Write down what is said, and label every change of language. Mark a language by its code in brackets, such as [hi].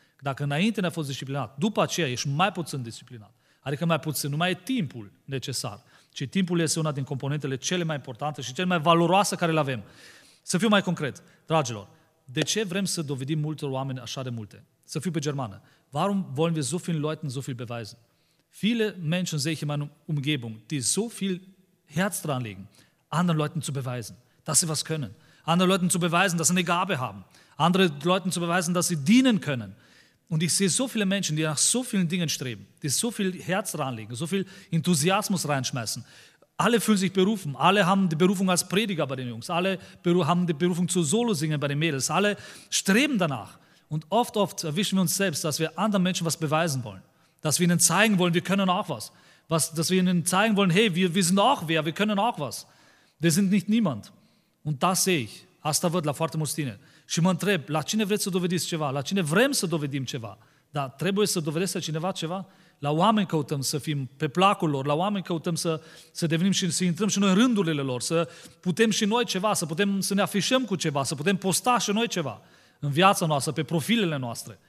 [ro] Dacă înainte n-ai fost disciplinat, după aceea ești mai puțin disciplinat, adică mai puțin, nu mai e timpul necesar, ci timpul este una din componentele cele mai importante și cele mai valoroase care le avem. Să fiu mai concret, dragilor, de ce vrem să dovedim multor oameni așa de multe? Să fiu pe germană. [de] Warum wollen wir so vielen Leuten so viel beweisen? Viele Menschen sehe ich in meiner Umgebung, die so viel Herz dran legen, anderen Leuten zu beweisen, dass sie was können. Anderen Leuten zu beweisen, dass sie eine Gabe haben. Andere Leuten zu beweisen, dass sie dienen können. Und ich sehe so viele Menschen, die nach so vielen Dingen streben, die so viel Herz reinlegen, so viel Enthusiasmus reinschmeißen. Alle fühlen sich berufen. Alle haben die Berufung als Prediger bei den Jungs. Alle haben die Berufung zu Solo-Singen bei den Mädels. Alle streben danach. Und oft erwischen wir uns selbst, dass wir anderen Menschen was beweisen wollen. Dass wir ihnen zeigen wollen, wir können auch was. Dass wir ihnen zeigen wollen, hey, wir sind auch wer, wir können auch was. Wir sind nicht niemand. Und das sehe ich. [ro] Asta văd la foarte mulți tine. Și mă întreb, la cine vreți să dovediți ceva? La cine vrem să dovedim ceva? Dar trebuie să dovedesc la cineva ceva? La oameni căutăm să fim pe placul lor, la oameni căutăm să devenim și să intrăm și noi în rândurile lor, să putem și noi ceva, să putem să ne afișăm cu ceva, să putem posta și noi ceva în viața noastră, pe profilele noastre.